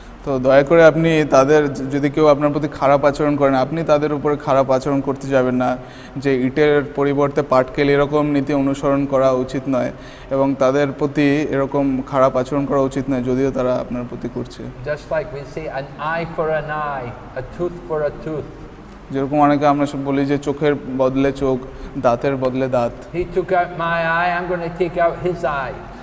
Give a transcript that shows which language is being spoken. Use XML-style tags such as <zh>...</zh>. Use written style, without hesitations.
<bn>তো দয়া করে আপনি তাদের যদি কেউ আপনার প্রতি খারাপ আচরণ করেন আপনি তাদের উপরে খারাপ আচরণ করতে যাবেন না যে ইটের পরিবর্তে পাটকেল এরকম নীতি অনুসরণ করা উচিত নয় এবং তাদের প্রতি এরকম খারাপ আচরণ করা উচিত নয় যদিও তারা আপনার প্রতি করছে</bn> <en>Just like we say an eye for an eye, a tooth for a tooth.</en> <bn>যেরকম অনেকে আমরা সব বলি যে চোখের বদলে চোখ দাঁতের বদলে দাঁত</bn> <en>He took out my eye, I'm going to take out his eye.</en>